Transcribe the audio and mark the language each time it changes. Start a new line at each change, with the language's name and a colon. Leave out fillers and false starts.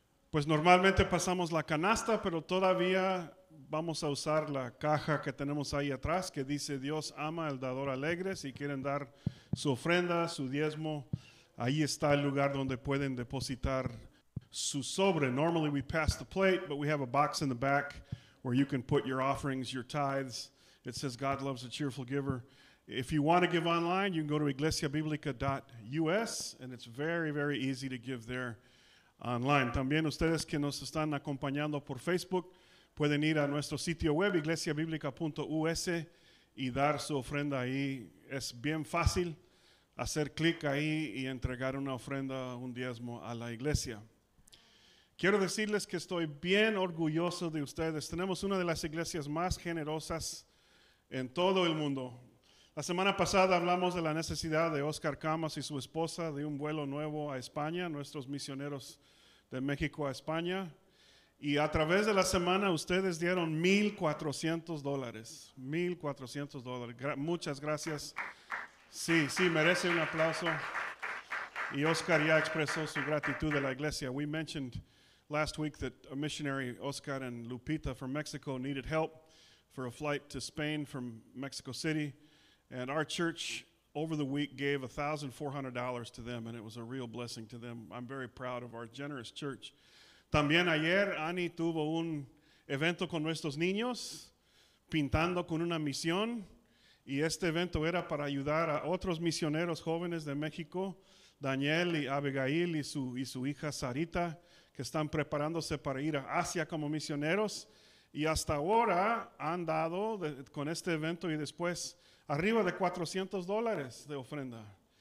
Spanish: Pues normalmente pasamos la canasta, pero todavía vamos a usar la caja que tenemos ahí atrás, que dice Dios ama al dador alegre. Si quieren dar su ofrenda, su diezmo, ahí está el lugar donde pueden depositar su sobre.
English: Normally we pass the plate, but we have a box in the back where you can put your offerings, your tithes. It says God loves a cheerful giver. If you want to give online, you can go to iglesiabiblica.us, and it's very, very easy to give there online.
Spanish: También ustedes que nos están acompañando por Facebook pueden ir a nuestro sitio web, iglesiabiblica.us, y dar su ofrenda ahí. Es bien fácil hacer clic ahí y entregar una ofrenda, un diezmo a la iglesia. Quiero decirles que estoy bien orgulloso de ustedes. Tenemos una de las iglesias más generosas en todo el mundo. La semana pasada hablamos de la necesidad de Oscar Camas y su esposa de un vuelo nuevo a España, nuestros misioneros de México a España. Y a través de la semana ustedes dieron $1,400. $1,400. Muchas gracias. Sí, sí, merece un aplauso. Y Oscar ya expresó su gratitud de la iglesia.
English: We mentioned last week that a missionary, Oscar and Lupita from Mexico, needed help for a flight to Spain from Mexico City. And our church over the week gave $1,400 to them, and it was a real blessing to them. I'm very proud of our generous church.
Spanish: También ayer, Annie tuvo un evento con nuestros niños, pintando con una misión, y este evento era para ayudar a otros misioneros jóvenes de México, Daniel y Abigail y su hija Sarita, que están preparándose para ir a Asia como misioneros, y hasta ahora han dado con este evento y después arriba de $400 de ofrenda.